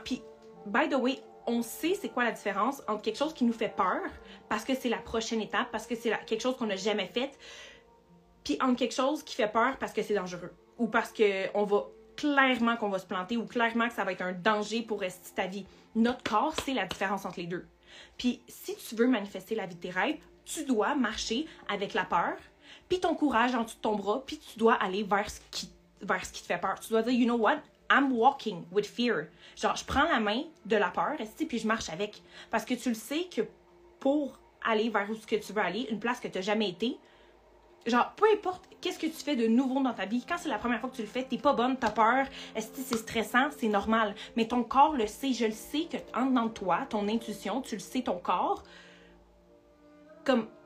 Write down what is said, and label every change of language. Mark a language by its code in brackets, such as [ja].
[fr] Puis, [en] by the way, [fr] on sait c'est quoi la différence entre quelque chose qui nous fait peur, parce que c'est la prochaine étape, parce que c'est quelque chose qu'on n'a jamais fait, puis entre quelque chose qui fait peur parce que c'est dangereux, ou parce que on va clairement se planter, ou clairement que ça va être un danger pour rester ta vie. Notre corps, c'est la différence entre les deux. Puis, si tu veux manifester la vie de tes rêves, tu dois marcher avec la peur, puis ton courage en dessous de ton bras, puis tu dois aller vers ce qui te fait peur. Tu dois dire, [en] you know what, I'm walking with fear. [fr] Genre, je prends la main de la peur, puis je marche avec. Parce que tu le sais que pour aller vers où tu veux aller, une place que tu n'as jamais été, genre, peu importe qu'est-ce que tu fais de nouveau dans ta vie, quand c'est la première fois que tu le fais, t'es pas bonne, t'as peur, c'est stressant, c'est normal. Mais ton corps le sait, je le sais que en dedans de toi, ton intuition, tu le sais, ton corps, comme...